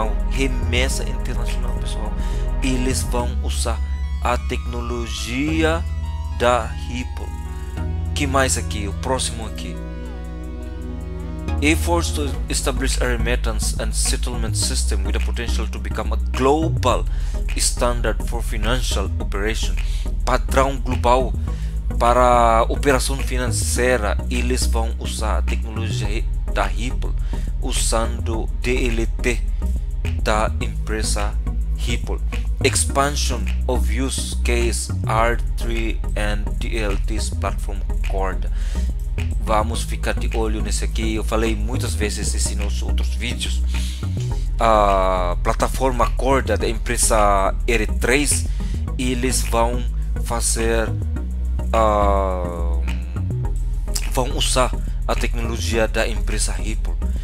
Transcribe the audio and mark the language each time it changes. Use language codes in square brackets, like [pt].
[pt] Remessa internacional, pessoal, eles vão usar a tecnologia da Ripple. Que mais aqui? O próximo aqui: [en] efforts to establish a remittance and settlement system with the potential to become a global standard for financial operation. [pt] Padrão global para operação financeira, eles vão usar a tecnologia da Ripple, usando DLT da empresa Ripple. [en] Expansion of use case R3 and DLT's platform Cord. [pt] Vamos ficar de olho nesse aqui. Eu falei muitas vezes isso nos outros vídeos. A plataforma Cord da empresa R3, eles vão fazer, vão usar a tecnologia da empresa Ripple.